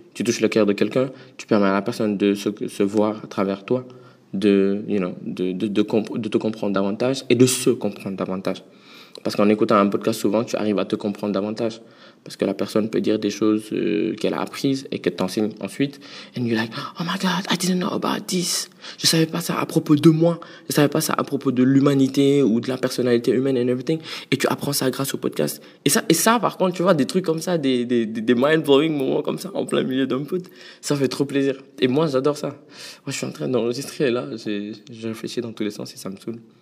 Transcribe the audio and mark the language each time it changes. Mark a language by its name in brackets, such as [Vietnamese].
[French] Tu touches le cœur de quelqu'un, tu permets à la personne de se voir à travers toi, de te comprendre davantage et de se comprendre davantage. Parce qu'en écoutant un podcast, souvent, tu arrives à te comprendre davantage. Parce que la personne peut dire des choses qu'elle a apprises et qu'elle t'enseigne ensuite. [English] And you're like, oh my God, I didn't know about this. [French] Je savais pas ça à propos de moi. Je savais pas ça à propos de l'humanité ou de la personnalité humaine [English] and everything. [French] Et tu apprends ça grâce au podcast. Et ça, par contre, tu vois, des trucs comme ça, des mind-blowing moments comme ça en plein milieu d'un pod, ça fait trop plaisir. Et moi, j'adore ça. Moi, je suis en train d'enregistrer là. J'ai réfléchi dans tous les sens et ça me saoule.